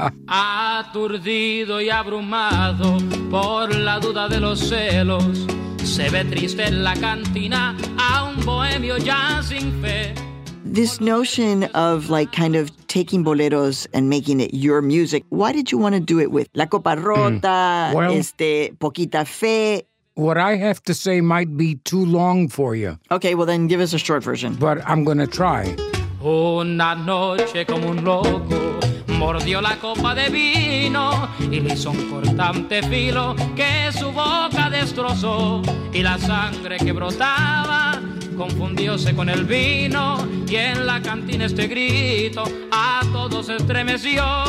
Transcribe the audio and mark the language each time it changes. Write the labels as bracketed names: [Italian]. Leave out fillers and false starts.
[Spanish] Aturdido y abrumado por la duda de los celos. Se ve triste en la cantina a un bohemio ya sin fe. [English] This notion of, like, kind of taking boleros and making it your music, why did you want to do it with La Copa Rota, Poquita Fe? What I have to say might be too long for you. Okay, well then give us a short version. But I'm going to try. [Spanish] Una noche como un loco mordió la copa de vino y le hizo un cortante filo que su boca destrozó y la sangre que brotaba confundióse con el vino y en la cantina este grito a todos estremeció.